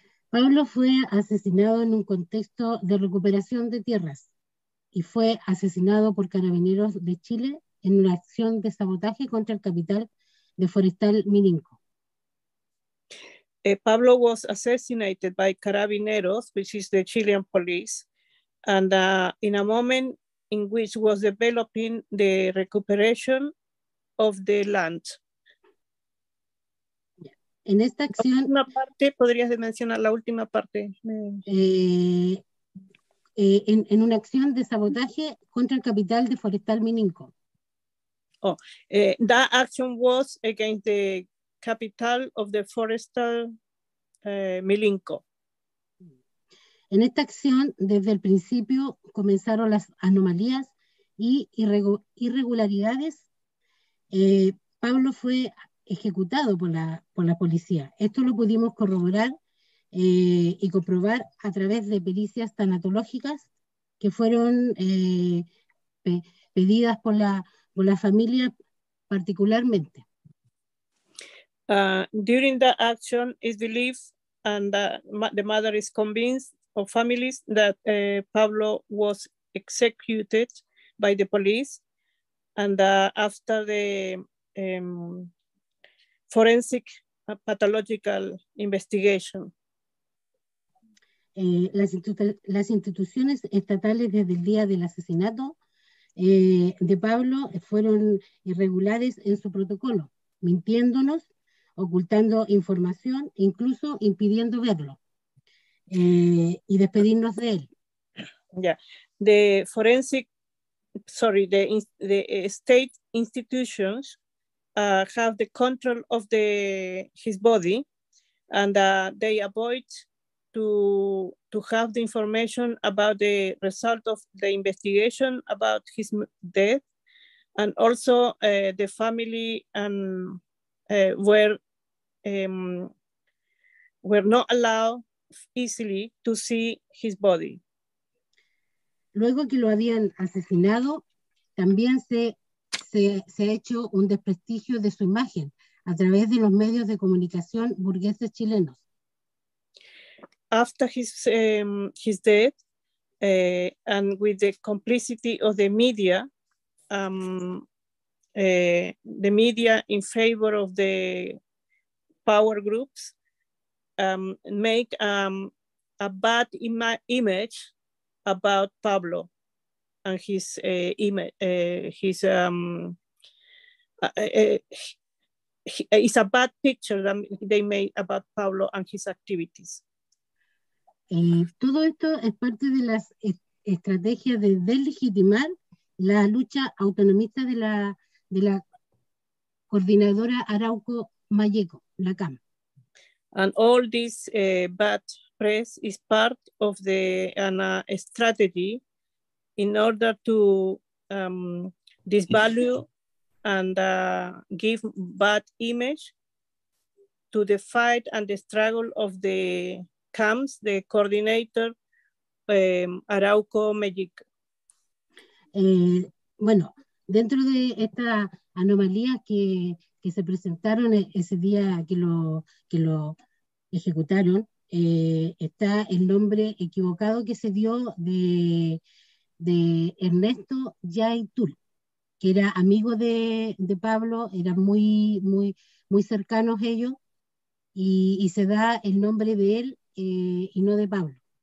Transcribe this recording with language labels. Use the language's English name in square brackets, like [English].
[Spanish] Pablo fue asesinado en un contexto de recuperación de tierras y fue asesinado por carabineros de Chile en una acción de sabotaje contra el capital de Forestal Mininco. [English] Pablo was assassinated by carabineros, which is the Chilean police, and in a moment in which was developing the recuperation of the land. [Spanish] En esta acción, la parte, ¿podrías mencionar la última parte? En una acción de sabotaje contra el capital de Forestal Mininco. [English] Oh, that action was against the capital of the Forestal Mininco. [Spanish] En esta acción, desde el principio, comenzaron las anomalías y irregularidades. Pablo fue ejecutado por la policía. Esto lo pudimos corroborar y comprobar a través de pericias tanatológicas que fueron pedidas por la familia particularmente. [English] During the action is believed and the mother is convinced of families that Pablo was executed by the police and after the forensic pathological investigation. [Spanish] Las instituciones estatales desde el día del asesinato de Pablo fueron irregulares en su protocolo, mintiéndonos, ocultando información, incluso impidiendo verlo y despedirnos de él. [English] Yeah. The state institutions have the control of his body and they avoid to have the information about the result of the investigation about his death, and also the family and were not allowed easily to see his body. [Spanish] Luego que lo habían asesinado, también se ha hecho un desprestigio de su imagen a través de los medios de comunicación burgueses chilenos. [English] After his death and with the complicity of the media, the media in favor of the power groups make a bad image about Pablo and his it's a bad picture that they made about Pablo and his activities. [Spanish] Todo esto es parte de las estrategias de deslegitimar la lucha autonomista de la coordinadora Arauco Mayeco, la CAM. [English] And all this bad press is part of the strategy in order to disvalue and give bad image to the fight and the struggle of the CAMS, the coordinator Arauco Mejic. [Spanish] Bueno, dentro de esta anomalía que se presentaron ese día que lo ejecutaron, está el nombre equivocado que se dio de Ernesto Yaitul, que era amigo de Pablo, eran muy, muy, muy cercanos ellos, y se da el nombre de él y no de Pablo.